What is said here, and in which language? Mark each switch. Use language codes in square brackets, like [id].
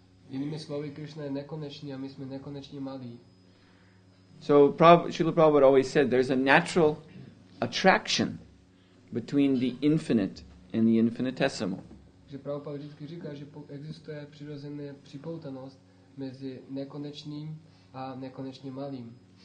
[cs] Jinými slovy, Krishna je nekonečný a my jsme nekonečně malí. [en] So Srila Prabhupada always said there's a natural attraction between the infinite and the infinitesimal. [cs] Že Prabhupada vždycky říká, že existuje přirozená připoutanost mezi nekonečným a nekonečně malým.